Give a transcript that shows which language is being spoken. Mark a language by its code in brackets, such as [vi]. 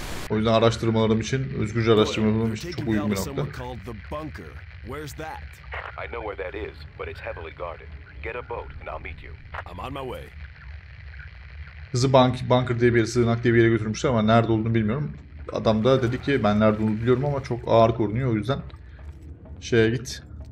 [tr] O yüzden araştırmalarım için özgürce araştırma yapmam için çok uygun bir nokta. [en] I know where that is, but it's heavily guarded. Get a boat and I'll meet you. I'm on my way. [tr] Kızı bunker diye bir yere, sığınak diye bir yere götürmüşler ama nerede olduğunu bilmiyorum. Adam da dedi ki ben nerede olduğunu biliyorum ama çok ağır korunuyor o yüzden şeye git.